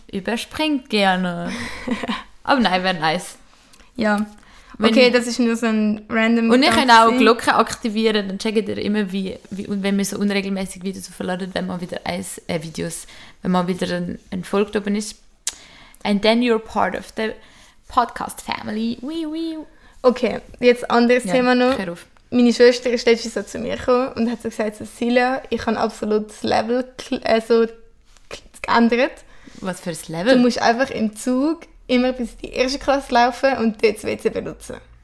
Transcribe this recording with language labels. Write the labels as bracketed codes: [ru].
[de] Überspringt gerne. Aber nein, wäre nice. Ja. Okay, das ist nur so ein random und ich kann auch Glocke aktivieren, dann checkt ihr immer, wie und wenn wir so unregelmäßig Videos verladen, wenn man wieder Videos, wenn man wieder ein Folge oben ist. [en] And then you're part of the podcast family. Wee, wee. [de] Okay, jetzt anderes Thema noch. Hör auf. Meine Schwester ist letztens so zu mir gekommen und hat so gesagt, Cecilia, ich habe absolut das Level also geändert. Was für ein Level? Du musst einfach im Zug immer bis in die erste Klasse laufen und dort das WC benutzen.